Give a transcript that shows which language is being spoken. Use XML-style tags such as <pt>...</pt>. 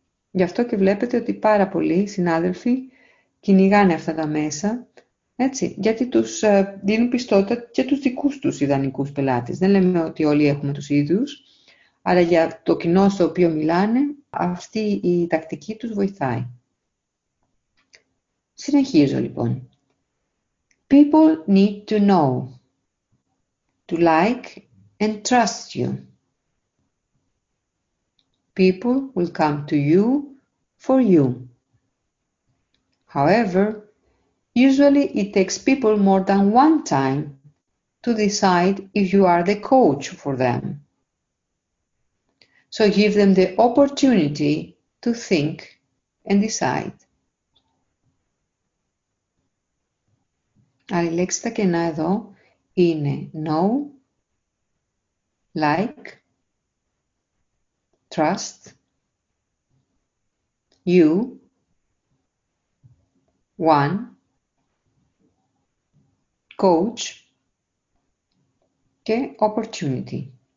<el>Γι' αυτό και βλέπετε ότι πάρα πολλοί συνάδελφοι κυνηγάνε αυτά τα μέσα, έτσι, γιατί τους δίνουν πιστότητα και τους δικούς τους ιδανικούς πελάτες. Δεν λέμε ότι όλοι έχουμε τους ίδιους, αλλά για το κοινό στο οποίο μιλάνε, αυτή η τακτική τους βοηθάει. Συνεχίζω λοιπόν.</el> <en>People need to know, to like and trust you. People will come to you for you. However, usually it takes people more than one time to decide if you are the coach for them. So give them the opportunity to think and decide.</en> <el>Άρα η λέξη τα κενά εδώ είναι know, like, trust, you, one, coach και opportunity.</el>